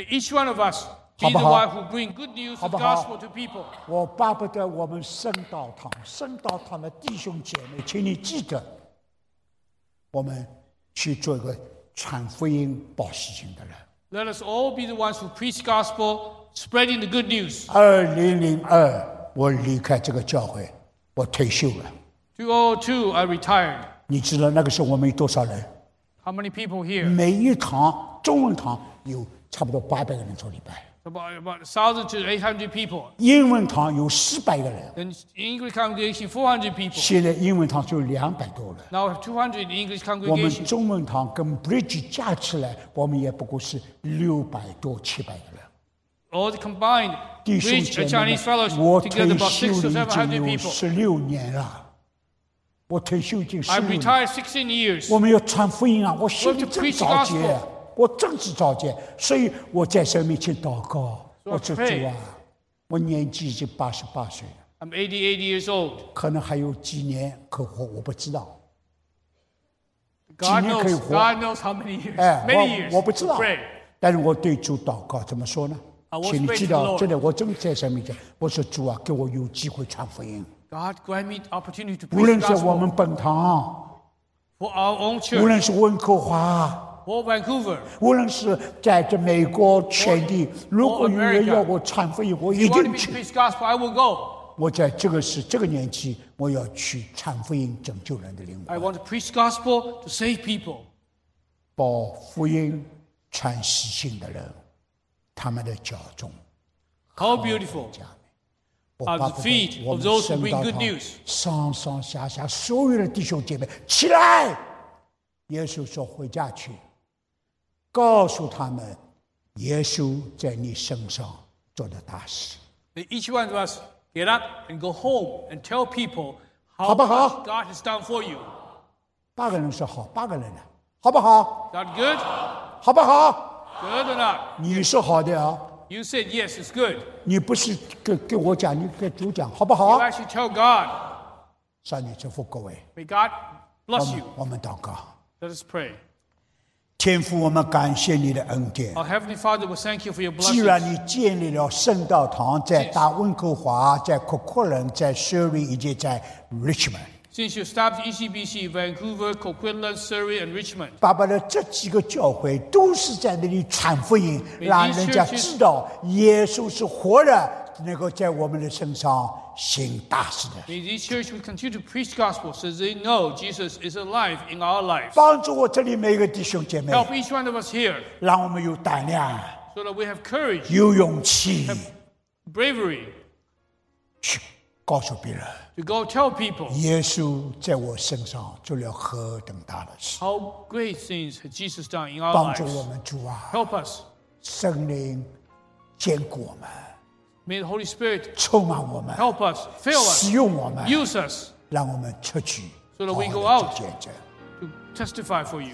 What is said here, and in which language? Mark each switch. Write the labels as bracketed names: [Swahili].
[English] May each one of us be the one who bring good news of gospel to people。 [Chinese] 我巴不得我们圣道堂、圣道堂的弟兄姐妹，请你记得，我们去做一个。传福音、报喜信的人。 [English] Let us all be the ones who preach gospel, spreading the good news. [Chinese] 2002，我离开这个教会，我退休了。 [English] 2002, I retired. [Chinese] 你知道那个时候我们有多少人 [English] ？How many people here? [Chinese] 每一堂中文堂有差不多800个人做礼拜。 [English] About 1,000 to 800 people. [Chinese] 英文堂有400个人。 [English] Then English congregation 400 people. [Chinese] 现在英文堂就200多了。 [English] Now 200 English congregation. [Chinese] 我们中文堂跟 Bridge 加起来，我们也不过是600多700个人。 [English] All the combined Bridge and Chinese fellowship together about 600 to 700 people. [Chinese] 16年了。我退休已经16年。 [English] I retired 16 years. [Chinese] 我们要传福音啊！我心里正着急。我正是召见，所以我在神面前祷告。我说主啊，我年纪已经88岁了。 [English] I'm 88 years old。 [Chinese] 可能还有几年可活，我不知道。 [English] God knows how many years. Many years. [Chinese] 我不知道。但是我对主祷告，怎么说呢？请你记得，真的，我真的在神面前，我说主啊，给我有机会传福音。 [English] God grant me the opportunity to preach gospel。 [Chinese] 无论是我们本堂 [English] ，For our own church。 [Chinese] 无论是温哥华。 [English] Or Vancouver, [Chinese] 无论是在这美国全地 [English] or, [Chinese] 如果有人要我传福音我一定去 [English] gospel, I will go. [Chinese] 我在这个时这个年纪我要去传福音拯救人的灵魂 [English] I want to preach gospel to save people [Chinese] 报福音传喜信的人他们的脚中 [English] How beautiful are the feet of those who bring good news [Chinese] 上上下下所有的弟兄姐妹起来耶稣说回家去告诉他们耶稣在你身上做的大事 [English] May each one of us get up and go home and tell people [Chinese] how 好不好 [English] God has done for you [Chinese] 八个人说好八个人呢好不好 [English] Is that good [Chinese] 好不好 [English] Good or not [Chinese] 你是好的啊 [English] You said yes it's good [Chinese] 你不是 给我讲你给主讲好不好 [English] You actually tell God [Chinese] 上帝祝福各位 [English] May God bless you [Chinese] 我们祷告 [English] Let us pray. [Chinese] 天父，我们感谢你的恩典。 [English] Our heavenly Father, we thank you for your blessings. [Chinese] 既然你建立了圣道堂，在大温哥华，在库克伦，在 Surrey 以及在 Richmond. [English] Since you established ECBC Vancouver, Coquitlam, Surrey, and Richmond. [Chinese] 爸爸的这几个教会都是在那里传福音，让人家知道耶稣是活的，能够在我们的身上行大事的。 [English] May this church will continue to preach gospel, so they know Jesus is alive in our lives. [Chinese] 帮助我这里每一个弟兄姐妹。 [English] Help each one of us here. [Chinese] 让我们有胆量。 [English] So that we have courage. [Chinese] 有勇气。 [English] Bravery. [Chinese] 去告诉别人。 [English] To go tell people. [Chinese] 耶稣在我身上做了何等大的事。 [English] How great things has Jesus done in our lives. [Chinese] 帮助我们主啊。 [English] Help us. [Chinese] 圣灵坚固我们。 [English] May the Holy Spirit [Chinese] 充满我们 [English] help us, fill us, [Chinese] 使用我们 [English] use us, [Chinese] 让我们出去 [English] so that we go out to testify for you.